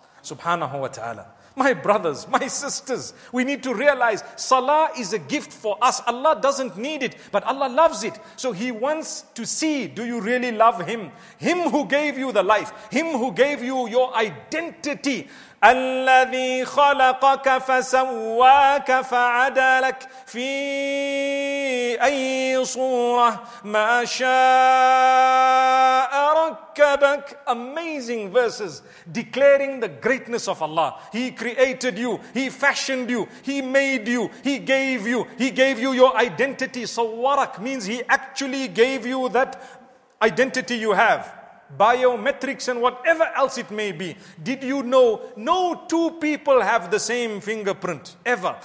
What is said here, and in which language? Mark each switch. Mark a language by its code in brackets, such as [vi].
[en] Subhanahu wa ta'ala. My brothers, my sisters, we need to realize Salah is a gift for us. Allah doesn't need it, but Allah loves it. So He wants to see, do you really love Him? Him who gave you the life, Him who gave you your identity. [ar] الذي خلقك فسواك فعدلك في أي صورة ما شاء ركبك. [en] Amazing verses declaring the greatness of Allah. He created you, He fashioned you, He made you, He gave you, He gave you your identity. صورك means He actually gave you that identity you have. Biometrics and whatever else it may be. Did you know no two people have the same fingerprint ever?